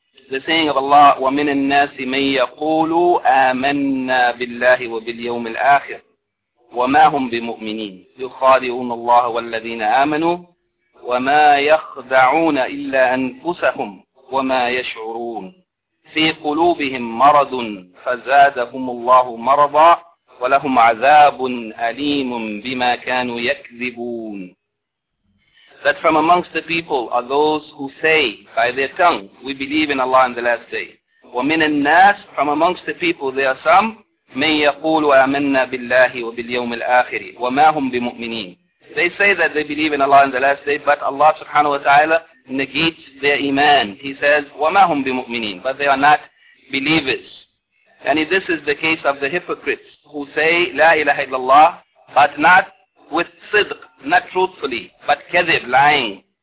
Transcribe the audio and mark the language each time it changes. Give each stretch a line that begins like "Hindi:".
English: The saying of Allah,
Arabic: وَمِنَ النَّاسِ مَنْ يَقُولُ آمَنَّا بِاللَّهِ وَبِالْيَوْمِ الْآخِرِ وَمَا هُمْ بِمُؤْمِنِينَ يُخَادِعُونَ اللَّهَ وَالَّذِينَ آمَنُوا وَمَا يَخْدَعُونَ إِلَّا أَنفُسَهُمْ وَمَا يَشْعُرُونَ فِي قُلُوبِهِمْ مَرَضٌ فَزَادَهُمُ اللَّهُ مَرَضًا وَلَهُمْ عَذَابٌ أَلِيمٌ بِمَا كَانُوا يَكْذِبُونَ.
English: That from amongst the people are those who say by their tongue, we believe in Allah in the last day.
Arabic: وَمِنَ النَّاسِ,
English: from amongst the people there are some,
Arabic: مَنْ يَقُولُ آمَنَّا بِاللَّهِ وَبِالْيَوْمِ الْآخِرِ وَمَا هُمْ بِمُؤْمِنِينَ.
English: They say that they believe in Allah in the last day, but Allah subhanahu wa ta'ala negates their iman. He says,
Arabic: وَمَا هُمْ بِمُؤْمِنِينَ,
English: but they are not believers. And this is the case of the hypocrites who say,
Arabic: لا إله إلا الله,
English: but not with صدق, not truthfully, but كذب, lying.